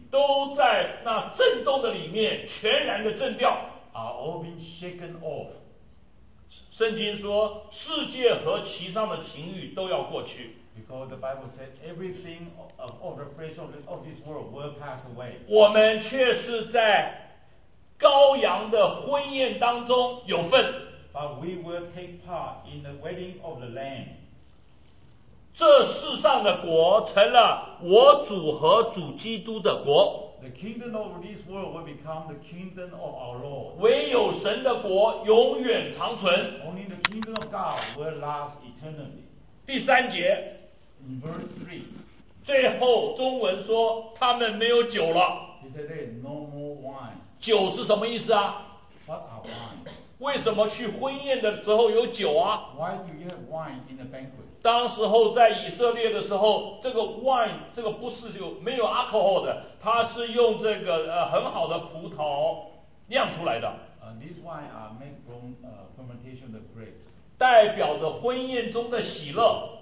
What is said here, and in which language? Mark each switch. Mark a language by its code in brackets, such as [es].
[zh] 都在那震动的里面全然的震掉。 [en] Are all being shaken off. [zh] 圣经说世界和其上的情欲都要过去。 [en] Because the Bible said everything of the flesh of this world will pass away. [zh] 我们却是在羔羊的婚宴当中有份。 [en] But we will take part in the wedding of the lamb. [zh] 这世上的国成了我主和主基督的国。 [en] The kingdom of this world will become the kingdom of our Lord. [zh] 唯有神的国永远长存。 [en] Only the kingdom of God will last eternally. [zh] 第三节。 [en] In verse three. [zh] 最后中文说他们没有酒了。 [en] He said there's no more wine. [zh] 酒是什么意思啊 [en] ？What are wine? [zh] 为什么去婚宴的时候有酒啊 [en] ？Why do you have wine in the banquet? [zh] 当时候在以色列的时候，这个 wine 这个不是有没有 alcohol 的，它是用这个很好的葡萄酿出来的。 [en] These wine are made from fermentation of the grapes. [zh] 代表着婚宴中的喜乐。